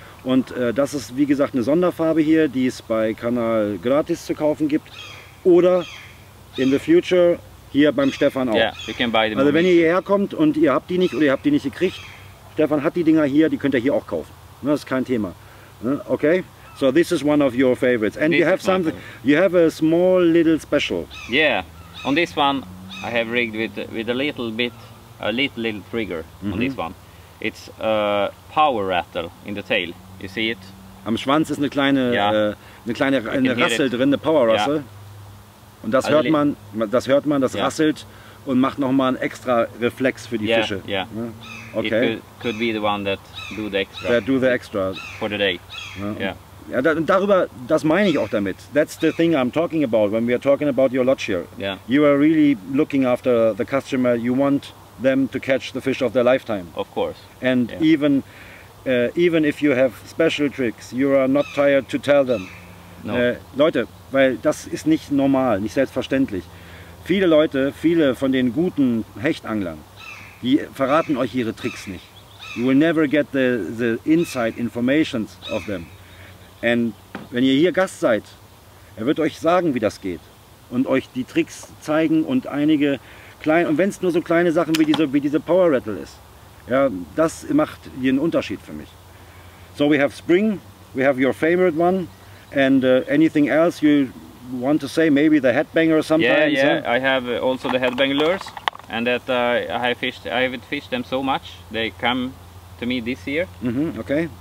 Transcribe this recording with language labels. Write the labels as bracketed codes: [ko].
[de] Und das ist, wie gesagt, eine Sonderfarbe hier, die es bei Canal Gratis zu kaufen gibt. Oder [en] in the future [de] hier beim Stefan auch. [en] Yeah, you can buy them. [de] Also wenn ihr hierher kommt und ihr habt die nicht oder ihr habt die nicht gekriegt, Stefan hat die Dinger hier, die könnt ihr hier auch kaufen. Das ist kein Thema. [en] Okay? So this is one of your favorites. And this you have something, you have a small little special. Yeah, on this one I have rigged with a little trigger on this one. It's a power rattle in the tail. You see it? [de] Am Schwanz ist eine kleine Power Rassel drin. [en] Yeah. [de] Und das hört man, das rasselt und macht nochmal einen extra Reflex für die Fische. [en] Yeah. Okay. It could be the one that do the extra. That do the extra. For the day. [de] Ja, darüber, das meine ich auch damit. [en] That's the thing I'm talking about when we are talking about your lodge here. Yeah. You are really looking after the customer. You want them to catch the fish of their lifetime. Of course. And even if you have special tricks, you are not tired to tell them. No. [de] Leute, weil das ist nicht normal, nicht selbstverständlich. Viele Leute, viele von den guten Hechtanglern, die verraten euch ihre Tricks nicht. [en] You will never get the inside informations of them. [de] And wenn ihr hier Gast seid, er wird euch sagen, wie das geht und euch die Tricks zeigen und einige kleine, und wenn es nur so kleine Sachen wie diese Power Rattle ist, ja, das macht hier einen Unterschied für mich. [en] So we have spring, we have your favorite one, and anything else you want to say, maybe the headbanger sometimes? Yeah, yeah, huh? I have also the headbanger lures, and that I haven't fished them so much, they come to me this year. Mm-hmm, okay.